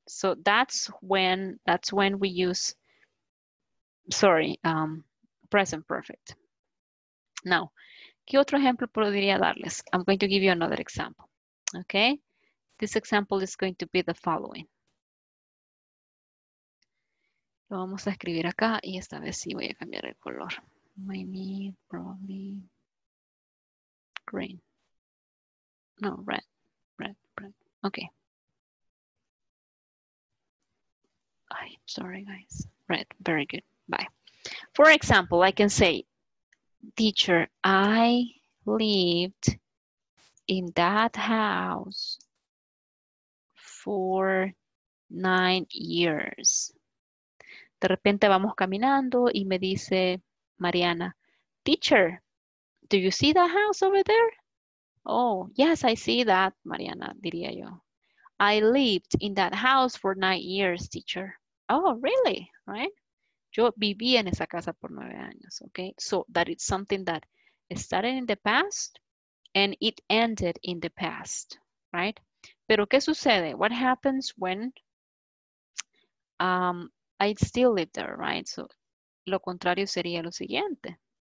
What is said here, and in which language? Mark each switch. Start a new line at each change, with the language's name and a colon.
English: So that's when we use, present perfect.
Spanish: Now, ¿qué otro ejemplo podría darles?
English: I'm going to give you another example, okay? This example is going to be the following.
Spanish: Lo vamos a escribir acá y esta vez sí voy a cambiar el color.
English: My need probably green. No, red. Okay. Ay, sorry guys. Red, very good. Bye. For example, I can say, teacher, I lived in that house for 9 years.
Spanish: De repente vamos caminando y me dice
English: Mariana, teacher, do you see that house over there? Oh, yes, I see that, Mariana,
Spanish: diría yo.
English: I lived in that house for 9 years, teacher. Oh, really? Right?
Spanish: Yo viví en esa casa por 9 años, okay?
English: So that is something that started in the past and it ended in the past, right?
Spanish: Pero, ¿qué sucede?
English: What happens when I still live there, right?
Spanish: So, lo contrario sería lo siguiente.